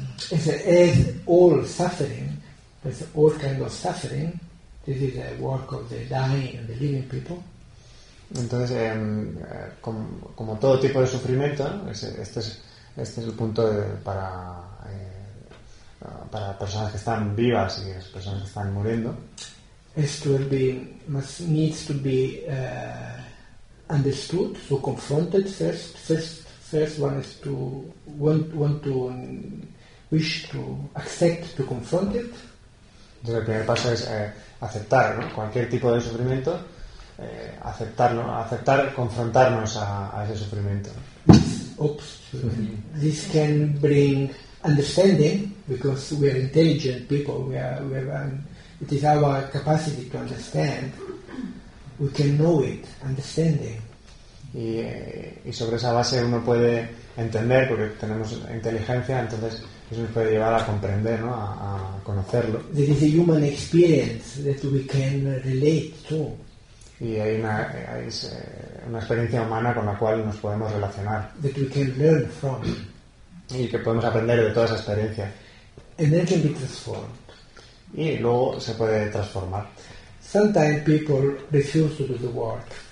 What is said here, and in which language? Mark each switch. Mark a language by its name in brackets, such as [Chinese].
[English] It's all suffering, it's all kind of suffering. This is the work of the dying and the living people. [Spanish] Entonces, como todo tipo de sufrimiento, este es el punto para personas que están vivas y las personas que están muriendo. [English] Needs to be understood, so confronted first. One wants to confront it. [Spanish] Entonces, el primer paso es aceptar, ¿no? Cualquier tipo de sufrimiento. Aceptarlo, aceptar confrontarnos a ese sufrimiento. Oops. [English] This can bring understanding because we are intelligent people. It is our capacity to understand. We can know it, understanding. [Spanish] Y sobre esa base uno puede entender porque tenemos inteligencia, entonces eso nos puede llevar a comprender, ¿no? A conocerlo. [English] There is a human experience that we can relate to. [Spanish] Y hay una experiencia humana con la cual nos podemos relacionar. [English] That we can learn from. [Spanish] Y que podemos aprender de toda esa experiencia. [English] And then can be transformed. [Spanish] Y luego se puede transformar. [English] Sometimes people refuse to do the work.